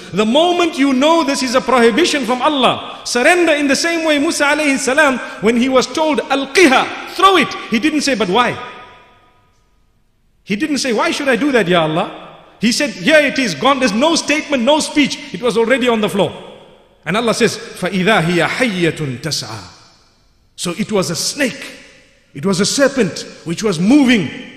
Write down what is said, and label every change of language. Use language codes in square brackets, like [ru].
[en] The moment you know this is a prohibition from Allah, surrender in the same way Musa alayhi salam, when he was told, Al-qiha, throw it. He didn't say, but why? He didn't say, why should I do that, Ya Allah? He said, here it is, gone. There's no statement, no speech. It was already on the floor. And Allah says, [ar] فَإِذَا هِيَ حَيَّةٌ تَسْعَى. [en] So it was a snake. It was a serpent which was moving.